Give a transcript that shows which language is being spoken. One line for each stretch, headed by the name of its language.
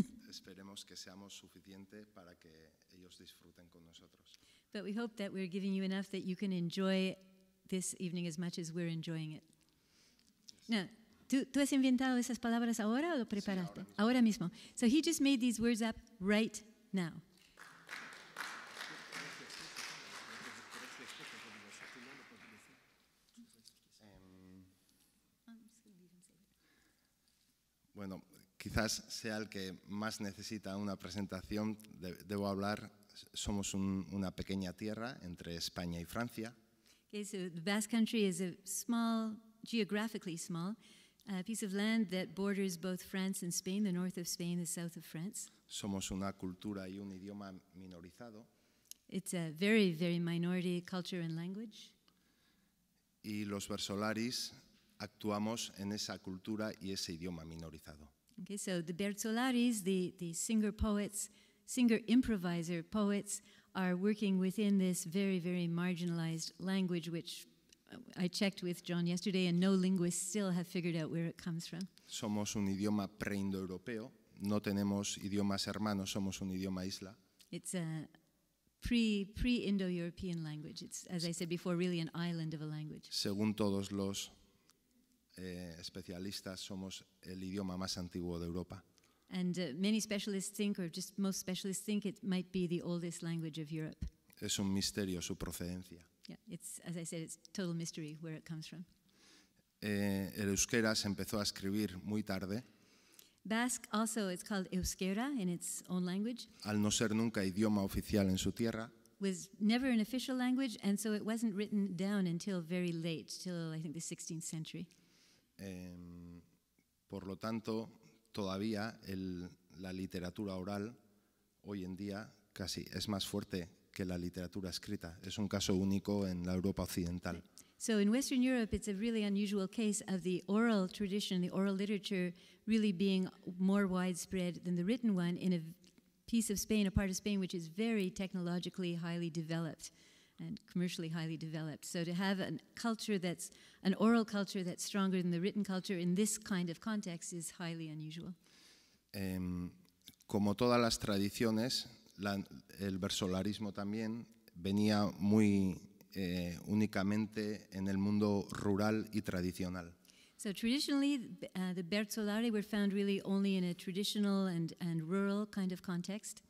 Spanish: esperemos que seamos suficiente para que ellos disfruten con nosotros.
English: But we hope that we're giving you enough that you can enjoy this evening as much as we're enjoying it. Yes. Now,
Spanish: ¿tú has inventado esas palabras ahora o lo preparaste? Sí, ahora mismo.
English: So he just made these words up right now.
Spanish: Bueno, quizás sea el que más necesita una presentación. Debo hablar, somos una pequeña tierra entre España y Francia.
English: Okay, so the Basque Country is a small, geographically small, piece of land that borders both France and Spain, the north of Spain, the south of France.
Spanish: Somos una cultura y un idioma minorizado.
English: It's a very, very minority culture and language.
Spanish: Y los Bertolaris actuamos en esa cultura y ese idioma minorizado.
English: Okay, so the Bertolaris, the singer poets, singer improviser poets, are working within this very, very marginalized language, which I checked with John yesterday, and no linguists still have figured out where it comes from.
Spanish: Somos un idioma pre-indoeuropeo. No tenemos idiomas hermanos. Somos un idioma isla.
English: It's a pre-Indo-European language. It's, as I said before, really an island of a language.
Spanish: Según todos los especialistas, somos el idioma más antiguo de Europa.
English: And many specialists think, or just most specialists think, it might be the oldest language of Europe.
Spanish: Es un misterio su procedencia.
English: Yeah, it's, as I said, it's total mystery where it comes from.
Spanish: El euskera se empezó a escribir muy tarde.
English: Basque also, it's called euskera in its own language.
Spanish: Al no ser nunca idioma oficial en su tierra.
English: Was never an official language, and so it wasn't written down until very late, till I think the 16th century.
Spanish: Por lo tanto, todavía la literatura oral hoy en día casi es más fuerte que la literatura escrita. Es un caso único en la Europa occidental.
English: So in Western Europe, it's a really unusual case of the oral tradition, the oral literature, really being more widespread than the written one in a piece of Spain, a part of Spain which is very technologically highly developed and commercially highly developed. So to have an oral culture that's stronger than the written culture in this kind of context is highly unusual.
Spanish: Como todas las tradiciones, el versolarismo también venía muy únicamente en el mundo rural y tradicional.
English: So traditionally, the bertolari were found really only in a traditional and rural kind of context.